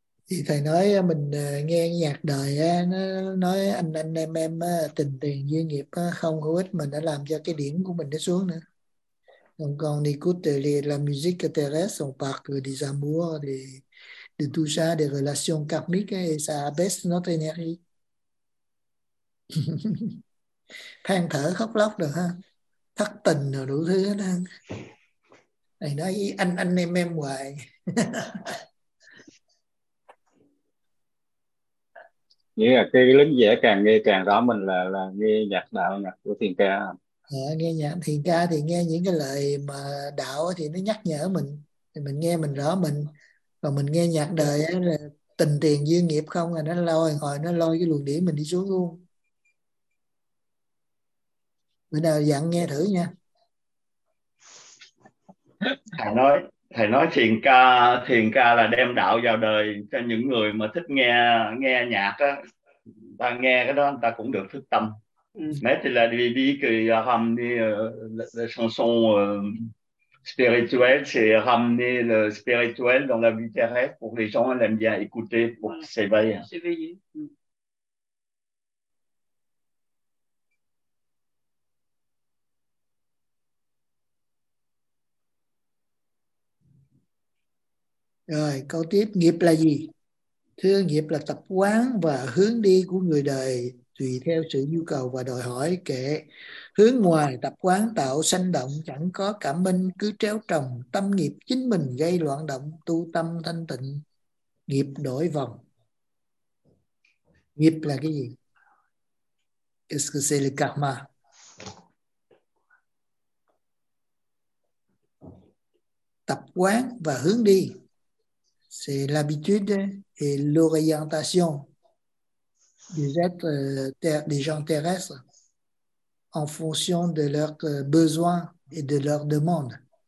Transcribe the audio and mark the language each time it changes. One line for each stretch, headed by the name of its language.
Vietnamese: Thì thầy nói mình nghe nhạc đời nó nói anh em tình tiền duyên nghiệp không hữu ích, mình đã làm cho cái điểm của mình nó xuống nữa.
French: Donc on écoute la musique terrestre, on parle des amours, de tout ça, des relations karmiques, et ça abaisse notre énergie.
Vietnamese: Than thở khóc lóc được ha, thất tình rồi đủ thứ hết ha. Thầy nói anh em hoài. Nghĩa là cái lính dễ càng nghe càng rõ mình là nghe nhạc đạo, nhạc của thiền ca. À, nghe nhạc thiền ca thì nghe những cái lời mà đạo thì nó nhắc nhở mình, thì mình nghe mình rõ mình. Còn mình nghe nhạc đời là tình tiền duyên nghiệp không là nó lôi hồi, nó lôi cái luồng điểm mình đi xuống luôn. Bữa nào dặn nghe thử nha. Thầy nói thiền ca là đem đạo vào đời cho những người mà thích nghe nhạc á, ta nghe cái đó ta cũng được thức tâm.
French: Mais c'est la vie que ramener la chanson spirituelle, c'est ramener le spirituel dans la vie terrestre pour les gens aiment bien écouter pour s'éveiller.
Vietnamese: Rồi, câu tiếp, nghiệp là gì? Thưa, nghiệp là tập quán và hướng đi của người đời tùy theo sự nhu cầu và đòi hỏi. Kệ, hướng ngoài tập quán tạo sanh động, chẳng có cảm minh, cứ tréo trồng, tâm nghiệp chính mình gây loạn động, tu tâm thanh tịnh, nghiệp đổi vòng. Nghiệp là cái gì?
French: Qu'est-ce que c'est le karma?
Vietnamese: Tập quán và hướng đi.
French: C'est l'habitude et l'orientation des êtres des gens terrestres en fonction de leurs besoins et de leurs demandes.